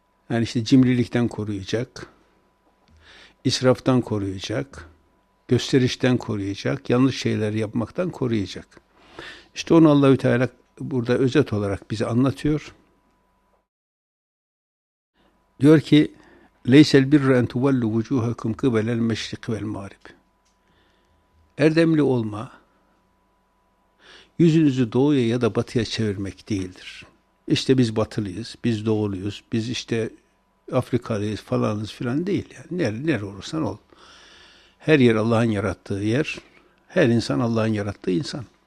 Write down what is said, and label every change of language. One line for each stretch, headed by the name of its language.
Turkish: Yani işte cimrilikten koruyacak, israftan koruyacak, gösterişten koruyacak, yanlış şeyler yapmaktan koruyacak. İşte onu Allah-u Teala burada özet olarak bize anlatıyor. Diyor ki,
Arabic: لَيْسَ الْبِرُّ اَنْ تُوَلُّ وُجُوهَكُمْ قِبَلَ الْمَشْرِقِ وَالْمَارِبِ.
Turkish: Erdemli olma, yüzünüzü doğuya ya da batıya çevirmek değildir. İşte biz batılıyız, biz doğuluyuz, biz işte Afrikalıyız falanız filan değil. Yani nere olursan ol. Her yer Allah'ın yarattığı yer, her insan Allah'ın yarattığı insan.